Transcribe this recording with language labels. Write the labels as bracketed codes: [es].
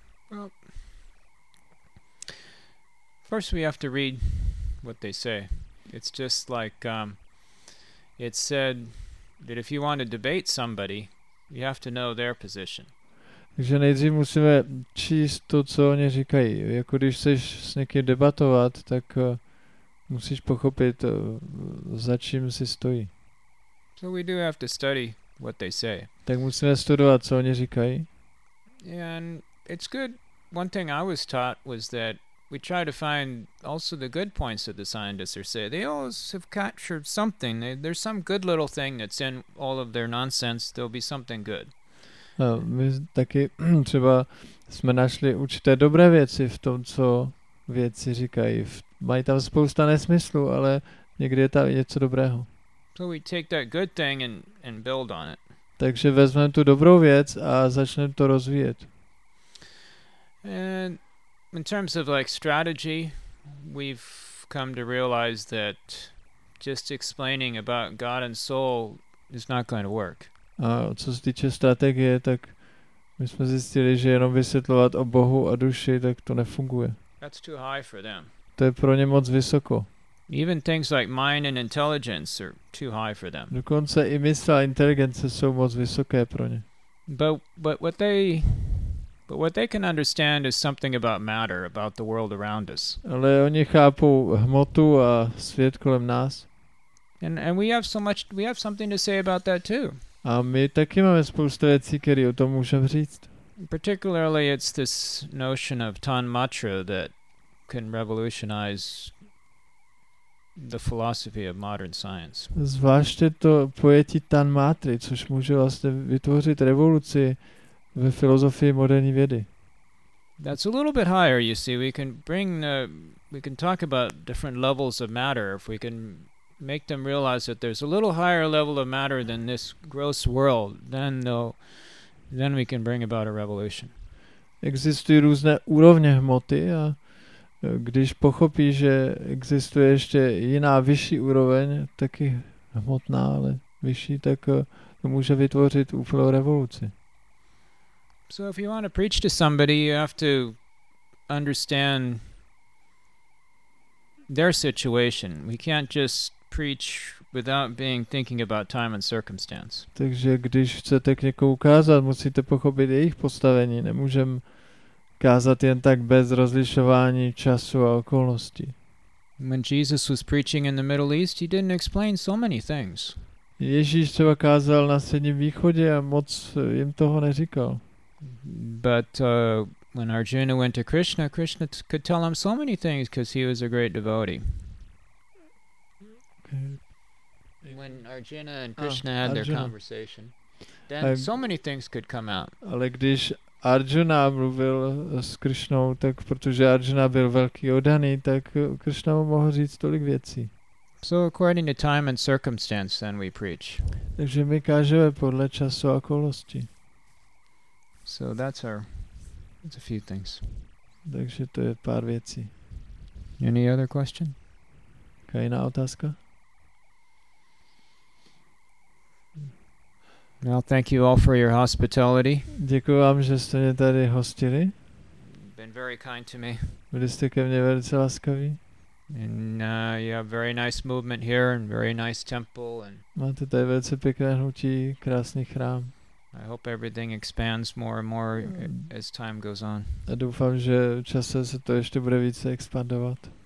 [en] Well, first we have to read what they say. It's just like it said that if you want to debate somebody, you have to know their position. [cs] Takže nejdřív musíme číst to, co oni říkají. Jako když chceš s někým debatovat, tak musíš pochopit, za čím si stojí. [en] So we do have to study what they say. [cs] Tak musíme studovat, co oni říkají. [en] And it's good. One thing I was taught was that we try to find also the good points that the scientists are saying. They always have captured something. There's some good little thing that's in all of their nonsense. There'll be something good. [cs] My taky třeba jsme našli určité dobré věci v tom, co vědci říkají. Mají tam spousta nesmyslu, ale někdy je tam něco dobrého. [en] So we take that good thing and build on it. [cs] Takže vezmeme tu dobrou věc a začneme to rozvíjet. [en] And in terms of like strategy, we've come to realize that just explaining about God and soul is not going to work. [cs] A co se týče strategie, tak my jsme zjistili, že jenom vysvětlovat o Bohu a duši, tak to nefunguje. [en] That's too high for them. [cs] To je pro ně moc vysoko. [en] Even things like mind and intelligence are too high for them. [cs] Dokonce i mysl a inteligence jsou moc vysoké pro ně. [en] But what they But what they can understand is something about matter, about the world around us. [cs] Ale oni chápou hmotu a svět kolem nás. [en] And we have so much, we have something to say about that too. [cs] A my taky máme spoustu věcí, které o tom můžeme říct. [en] Particularly it's this notion of tanmatra that can revolutionize the philosophy of modern science. [cs] Zvláště to pojetí tanmatry, což může vlastně vytvořit revoluci ve filozofii moderní vědy. [en] That's a little bit higher, you see. We can talk about different levels of matter if we can make them realize that there's a little higher level of matter than this gross world, then we can bring about a revolution. [cs] Existují různé úrovně hmoty a když pochopí, že existuje ještě jiná vyšší úroveň, taky hmotná, ale vyšší, tak to může vytvořit úplnou revoluci. [en] So if you want to preach to somebody, you have to understand their situation. We can't just preach without being thinking about time and circumstance. [cs] Takže když chcete k někomu kázat, musíte pochopit jejich postavení. Nemůžeme kázat jen tak bez rozlišování času a okolností. [en] When Jesus was preaching in the Middle East, he didn't explain so many things. [cs] Ježíš třeba kázal na Středním východě a moc jim toho neříkal. [en] But when Arjuna went to Krishna, Krishna could tell him so many things because he was a great devotee. When Arjuna and Krishna had their conversation, then so many things could come out. [cs] Ale když Arjuna mluvil s Krishnou, tak protože Arjuna byl velký oddaný, tak Krishna mu mohl říct tolik věcí. [en] So according to time and circumstance, then we preach. [cs] Takže my kážeme podle času a okolností. [en] So that's a few things. [cs] Takže to je pár věcí. [en] Any other question? [cs] Kaj jiná otázka? [en] Well, thank you all for your hospitality. [cs] Děkuji vám, že jste mě tady hostili. [en] Been very kind to me. [cs] Byli jste ke mně velice laskaví. [en] And you have very nice movement here and very nice temple. And [cs] máte tady velice pěkné hnutí, krásný chrám. [en] I hope everything expands more and more as time goes on. [cs] A doufám, že časem se to ještě bude více expandovat.